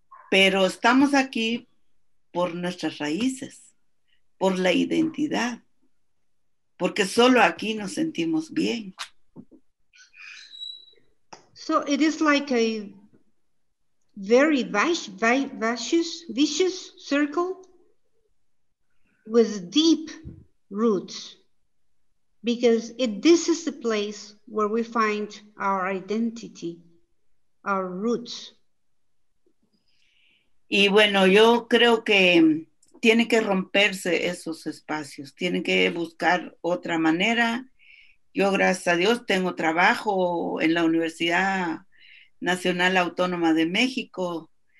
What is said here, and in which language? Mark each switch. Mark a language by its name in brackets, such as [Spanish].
[Spanish] Pero estamos aquí por nuestras raíces, por la identidad, porque solo aquí nos sentimos bien. [English] So it is like a very vicious circle with deep roots, because this is the place where we find our identity, our roots. [Spanish] Y bueno, yo creo que tiene que romperse esos espacios, tiene que buscar otra manera. Yo, gracias a Dios, tengo trabajo en la Universidad Nacional Autónoma de México.